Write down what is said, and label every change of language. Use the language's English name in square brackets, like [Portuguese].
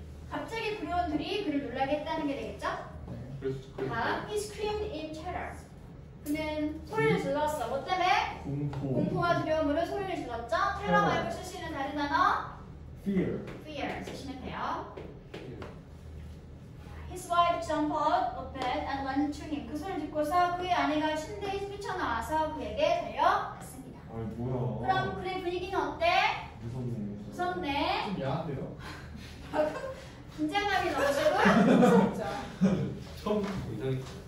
[Korean] 갑자기 구의원들이 그를 놀라게 했다는 게 되겠죠? 다음, [English] he screamed in terror. [Korean] 그는 소리를 질렀어. 뭐 때문에? 공포. 공포와 두려움으로 소리를 질렀죠? 테러 말고 쓸 수 있는 다른 단어? [English] Fear. [Korean] Fear 쓰시면 돼요. [English] His wife jumped up a bed and ran to him. [Korean] 그 소리를 듣고서 그의 아내가 침대에 뛰쳐나와서 그에게 달려갔습니다. 아이 뭐야. 그럼 그의 분위기는 어때? 무섭네. 무섭네. 좀 야한데요? 긴장감이 넘치고 무섭죠. 처음 이상했죠.